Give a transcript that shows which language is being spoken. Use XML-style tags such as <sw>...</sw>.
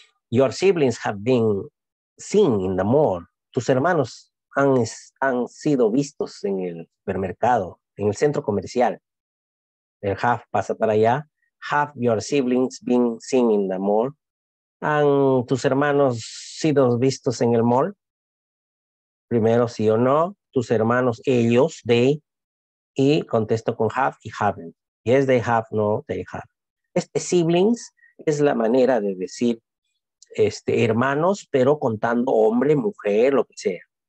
<en>Your siblings have been seen in the mall.</en> <es>Tus hermanos han sido vistos en el supermercado, en el centro comercial. El have pasa para allá.</es> <en>Have your siblings been seen in the mall?</en> <es>¿Han tus hermanos sido vistos en el mall? Primero, sí o no. Tus hermanos, ellos, they. Y contesto con have y haven't.</es> <en>Yes, they have, no, they have.</en> <es>Este siblings es la manera de decir hermanos, pero contando hombre, mujer, lo que sea.</es>